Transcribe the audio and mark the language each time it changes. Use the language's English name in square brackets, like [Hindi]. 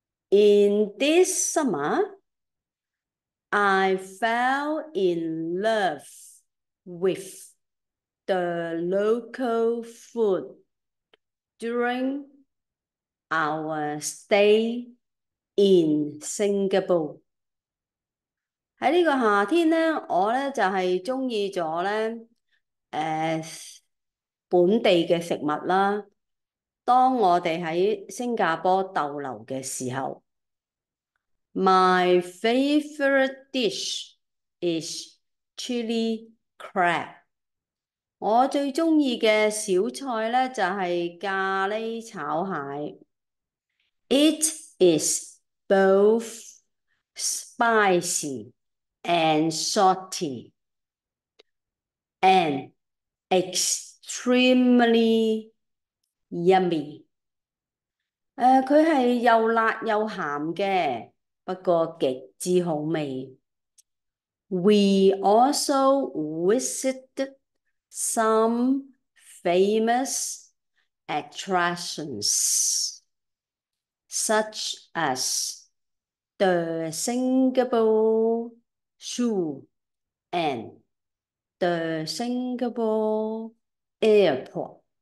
[English] In this summer, I fell in love with the local food during our stay in Singapore. [Cantonese] 喺呢个夏天呢，我呢就系中意咗呢本地嘅食物啦。当我哋喺新加坡逗留嘅时候。 [English] My favorite dish is chili crab。 [Cantonese] 我最中意嘅小菜咧就系咖喱炒蟹。 [English] It is both spicy and salty and extremely yummy。 [Cantonese] 佢系又辣又咸嘅，不过极之好味。 [English] We also visited some famous attractions, such as the Singapore Zoo and the Singapore Airport.